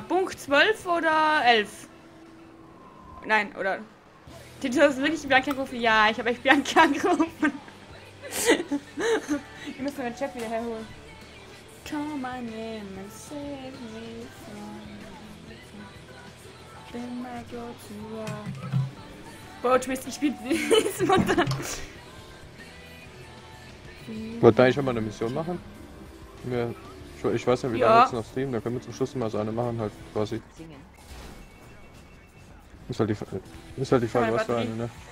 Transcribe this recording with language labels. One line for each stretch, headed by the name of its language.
German: Punkt 12 oder 11? Nein, oder? Du hast wirklich Bianca gerufen? Ja, ich habe echt Bianca gerufen. Ich muss meinen Chef wieder herholen.
English: Come on in and save me from everything.
German: Boah, Twist, ich bin diese Mutter. Wollt ihr eigentlich mal eine Mission machen? Ja. Ich weiß ja, wie lange jetzt noch streamen, da können wir zum Schluss mal so eine machen, halt quasi. Ist halt die Frage, was für eine, ne?